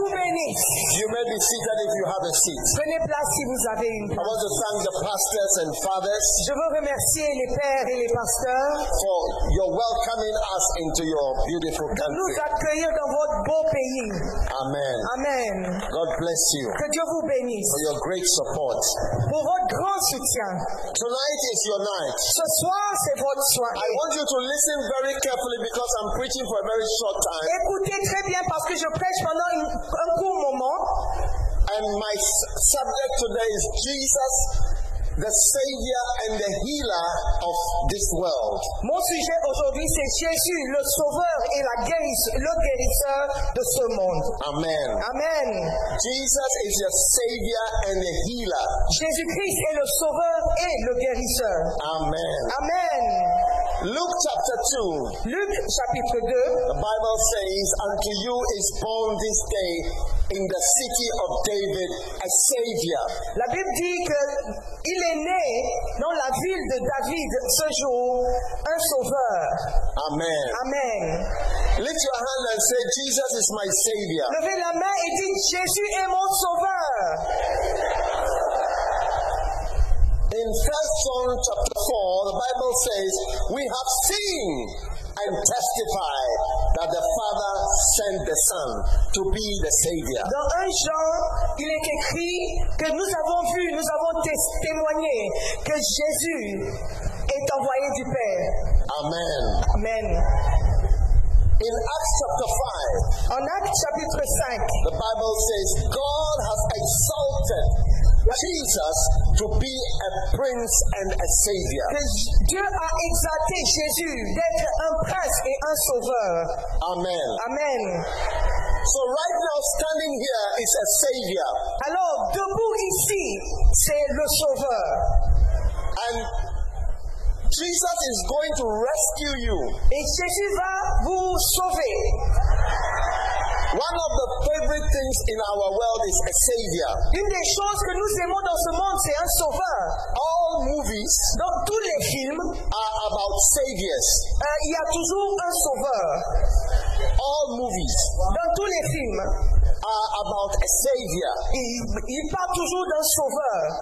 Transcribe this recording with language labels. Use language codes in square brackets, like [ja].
[en] You may be seated if you have a seat. [fr] Prenez place si vous avez une place. [en] I want to thank the pastors and fathers. [fr] Je veux remercier les pères et les pasteurs. [en] For your welcoming us into your beautiful country. [fr] Nous accueillir dans votre beau pays. [en] Amen. [fr] Amen. [en] God bless you. [fr] Que Dieu vous bénisse. [en] For your great support. [fr] Pour votre grand soutien. [en] Tonight is your night. [fr] Ce soir c'est votre soirée. [en] I want you to listen very carefully because I'm preaching for a very short time. [fr] Écoutez très bien parce que je prêche pendant un court moment. [en] And my subject today is Jesus, the Savior and the healer of this world. [fr] Mon sujet aujourd'hui c'est Jésus, le sauveur et la guérisseur de ce monde. [en] Amen. [fr] Amen. [en] Jesus is your Savior and the healer. [fr] Jésus-Christ est le sauveur et le guérisseur. [en] Amen. [fr] Amen. [en] Luke chapter 2. [fr] Luke chapitre 2. [en] The Bible says, unto you is born this day in the city of David a Savior. [fr] La Bible dit que il est né dans la ville de David ce jour un sauveur. [en] Amen. [fr] Amen. [en] Lift your hand and say, Jesus is my Savior. [fr] Levez la main et dites, Jésus est mon sauveur. [en] In 1 John chapter 4, the Bible says, we have seen and testified that the Father sent the Son to be the Savior. [fr] Dans 1 Jean, il est écrit que nous avons vu, nous avons témoigné que Jésus est envoyé du Père. [en] Amen. [fr] Amen. [en] In Acts chapter 5, [fr] en Acts chapitre 5, [en] the Bible says, God has exalted Jesus to be a prince and a savior. [fr] Dieu a exalté Jésus d'être un prince et un sauveur. [en] Amen. [fr] Amen. [en] So right now, standing here is a savior. [fr] Alors, debout ici, c'est le sauveur. [en] And Jesus is going to rescue you. [fr] Et Jésus va vous sauver. [en] One of the favorite things in our world is a savior. [fr] Une des choses que nous aimons dans ce monde, c'est un sauveur. [en] All movies, [fr] donc tous les films, [en] are about saviors. [fr] Il y a toujours un sauveur. [en] All movies, [fr] dans tous les films, [en] are about a savior. [fr] Il parle toujours d'un sauveur.